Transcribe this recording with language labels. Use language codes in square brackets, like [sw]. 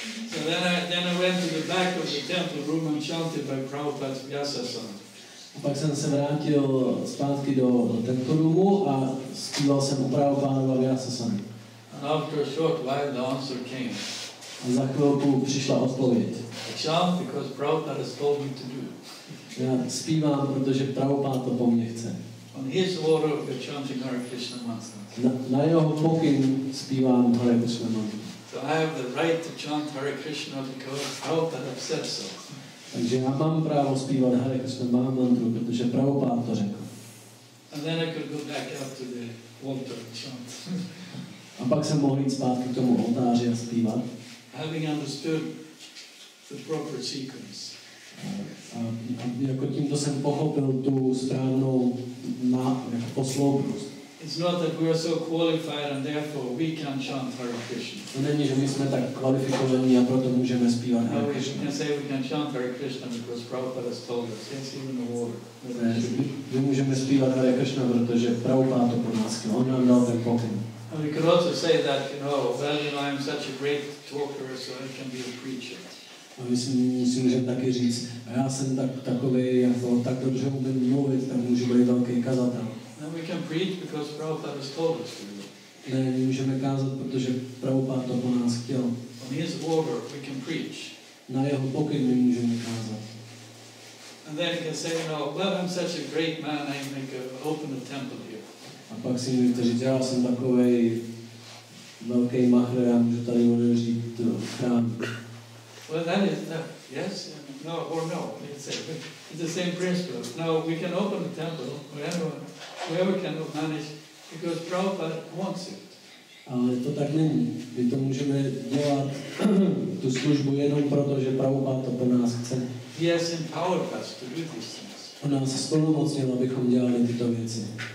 [en] So then I went to the back of the temple room and chanted by Prabhupada Vyasa-san. [cs] A pak jsem se vrátil zpátky do tento růmu a zpíval jsem opravdu pánu Vyasa-san. [en] And after a short while the answer came. [cs] A za chvilku přišla odpověď. [en] I chant because Prabhupada has told me to do. [cs] Já zpívám, protože Prabhupada to po mně chce. [en] On his order of chanting Hare Krishna mantra. [cs] Na jeho pokyn zpívám Hare Krishna mantra. [en] So I have the right to chant Hare Krishna because Prabhupada said so. [cs] Takže já mám právo zpívat Hare Krishna mantru, protože Prabhupada to řekl. [en] And then I could go back up to the altar and chant. [cs] A pak jsem mohl jít zpátky k tomu oltáři a zpívat. [en] Having understood the proper sequence. [cs] A jako tímto jsem pochopil tu správnou jako posloupnost. [en] It's not that we are so qualified and therefore we can chant Hare Krishna. [cs] To není, že my jsme tak kvalifikovaní a proto můžeme zpívat Hare Krishna. [en] No, we can say we can chant Hare Krishna because Prabhupada has told us. Yes, even the order. [cs] My můžeme zpívat Hare Krishna, protože Prabhupada to po nás chtěl. On nám dal ten pokyn. [en] And we could also say that, you know, well, you know, I'm such a great talker, so I can be a preacher. [cs] A my si můžeme taky říct, a já jsem takovej, jako tak dobře umím mluvit, tak můžu být velký kazatel. [en] Then we can preach because Prabhupada has told us to. [cs] Ne, můžeme kázat, protože Prabhupada to po nás chtěl. [en] On his order, we can preach. [cs] Na jeho pokyn my můžeme kázat. [en] And then you can say, you know, well, I'm such a great man, I make a, open a temple here. [cs] A pak si můžete říct, já jsem takovej velký mahr, já můžu tady odeřít chrám. [en] Well, that is, yes, no, or no, it's the same principle. Now, we can open the temple, whoever can manage, because Prabhupada wants it. [cs] Ale to tak není. My to můžeme dělat, tu službu, jenom proto, že Prabhupada to po nás chce. [en] He has empowered us to do these things. [cs] On nás zplnomocnil, abychom dělali tyto věci.